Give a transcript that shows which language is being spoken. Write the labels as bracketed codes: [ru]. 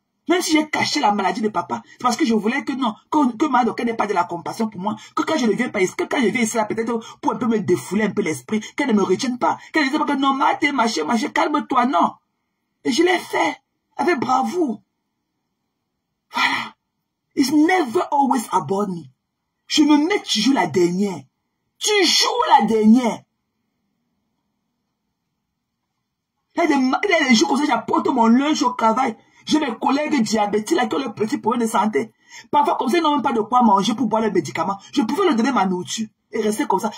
[fr] Même si j'ai caché la maladie de papa, c'est parce que je voulais que non, que Madoka n'ait pas de la compassion pour moi. Que quand je ne viens pas ici, que quand je viens ici, là, peut-être pour un peu me défouler un peu l'esprit, qu'elle ne me retienne pas. Qu'elle ne dise pas que non, Maté, machin, machin, calme-toi, non. Et je l'ai fait avec bravoure. Voilà. [en] It's never always about me. [fr] Je me mets toujours la dernière. Toujours la dernière. Il y a des jours comme ça, j'apporte mon linge au travail. J'ai mes collègues diabétiques là qui ont le petit problème de santé. Parfois, comme ça, ils n'ont même pas de quoi manger pour boire le médicament. Je pouvais leur donner ma nourriture et rester comme ça.